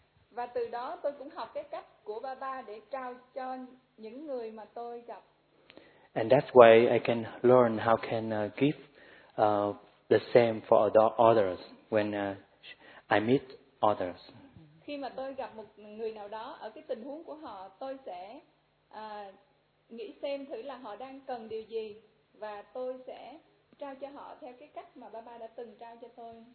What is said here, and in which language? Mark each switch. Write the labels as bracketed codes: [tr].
[vi] Và từ đó tôi cũng học cái cách của Baba để trao cho những người mà tôi gặp. [en] And that's why I can learn how can give the same for others when I meet others. [vi] Khi mà tôi gặp một người nào đó ở cái tình huống của họ, tôi sẽ nghĩ xem thử là họ đang cần điều gì và tôi sẽ trao cho họ theo cái cách mà Baba đã từng trao cho tôi.